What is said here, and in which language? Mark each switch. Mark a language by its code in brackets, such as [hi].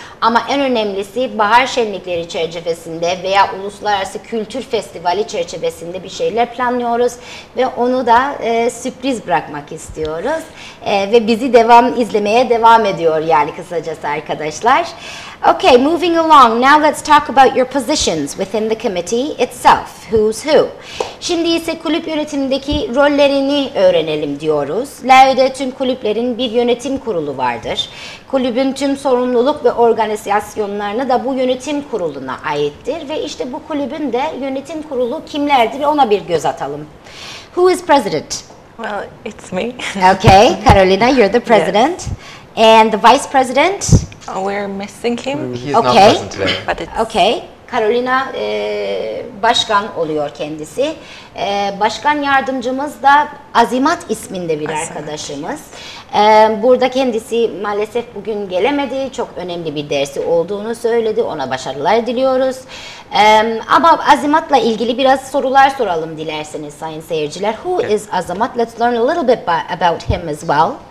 [tr] Ama en önemlisi bahar şenlikleri çerçevesinde veya uluslararası kültür festivali çerçevesinde bir şeyler planlıyoruz. Ve onu da sürpriz bırakmak istiyoruz. Ve bizi izlemeye devam ediyor yani kısacası arkadaşlar. [en] Okay, moving along. Now let's talk about your positions within the committee itself. Who's who? [tr] Şimdi ise kulüp yönetimindeki rollerini öğrenelim diyoruz. LAÖ'de tüm kulüplerin bir yönetim kurulu vardır. Kulübün tüm sorumluluk ve organizasyonlarını da bu yönetim kuruluna aittir. Ve işte bu kulübün de yönetim kurulu kimlerdir ona bir göz atalım. [en] Who is president? Well, it's me. Okay, Carolina, you're the president. Yes. And the vice president? We're missing him. He's not present today. [tr] Okay, Carolina başkan oluyor kendisi. Başkan yardımcımız da Azimat isminde bir arkadaşımız. Burada kendisi maalesef bugün gelemedi. Çok önemli bir dersi olduğunu söyledi. Ona başarılar diliyoruz. Ama Azimat'la ilgili biraz sorular soralım dilerseniz sayın seyirciler. [en] Who is Azimat? Let's learn a little bit about him as well.